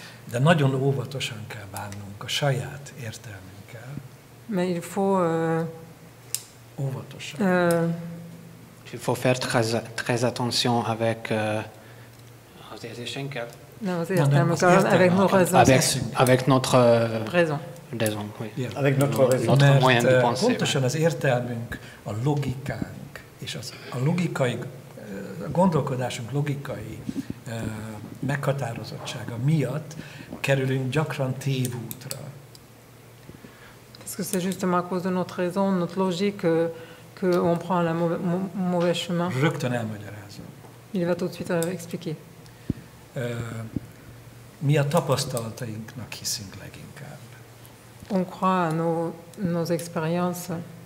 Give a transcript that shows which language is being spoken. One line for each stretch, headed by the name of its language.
Hungarian: De nagyon óvatosan kell bánnunk a saját értelmünkkel.
French: Mais il faut
Hungarian: óvatosan.
French: Il faut faire très attention avec
Hungarian: az érzéseinkkel. Nem az értelmünkkel,
French: avec nos raisons. Avec notre raison. Raison, oui. Avec notre raison. Notre moyen de penser.
Hungarian: Pontosan az értelmünk, a logikánk és az a logikai a gondolkodásunk logikai meghatározottsága miatt kerülünk gyakran tévútra.
French: Parce que c'est justement à cause de notre raison, notre logique que on prend le mauvais chemin.
Hungarian: Rögtön elmagyarázom.
French: Il va tout de suite expliquer.
Hungarian: mi a tapasztalatainknak hiszünk leginkább.
French: On croit à nos expériences.